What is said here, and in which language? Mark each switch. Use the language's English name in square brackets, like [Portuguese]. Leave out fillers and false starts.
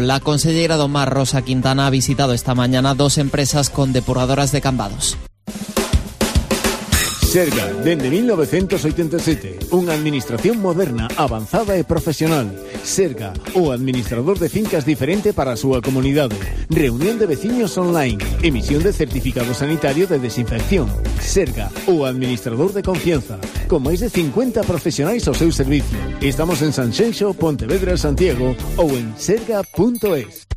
[Spanish] La consellera do Mar, Rosa Quintana, ha visitado esta mañana dos empresas con depuradoras de cambados. [Galician] Serga, dende 1987, unha administración moderna, avanzada e profesional. Serga, o administrador de fincas diferente para a súa comunidade. Reunión de veciños online, emisión de certificado sanitario de desinfección. Serga, o administrador de confianza, con máis de 50 profesionais ao seu servicio. Estamos en Sanxenxo, Pontevedra, Santiago ou en serga.es.